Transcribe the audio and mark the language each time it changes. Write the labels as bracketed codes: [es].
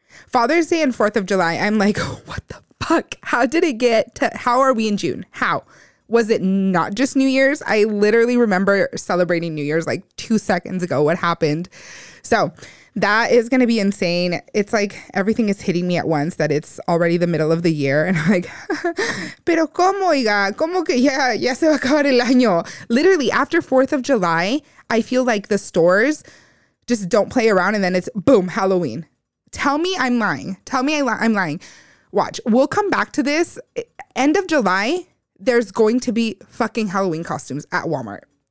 [en] Father's Day and 4th of July, I'm like, what the fuck? How did it get to, how are we in June? How? Was it not just New Year's? I literally remember celebrating New Year's like 2 seconds ago. What happened? So that is going to be insane. It's like everything is hitting me at once that it's already the middle of the year. And I'm like, [es] pero como, oiga, como que ya se va a acabar el año. [en] Literally after 4th of July, I feel like the stores just don't play around. And then it's boom, Halloween. Tell me I'm lying. Tell me I'm lying. Watch, we'll come back to this. End of July, there's going to be fucking Halloween costumes at Walmart.